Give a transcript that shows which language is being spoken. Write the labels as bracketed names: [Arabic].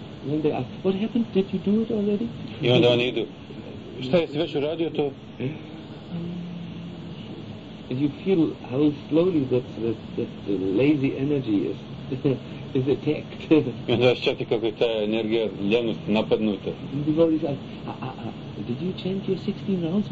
[English] And they ask, what happened? Did you do it already? [Bosnian] I onda oni idu. Šta je, si već uradio to? [English] And you feel how slowly that lazy energy is attacked. [Bosnian] I onda osjećate kako je ta energija ljenost napadnuta. [English] And the devotees ask, did you chant your 16 rounds?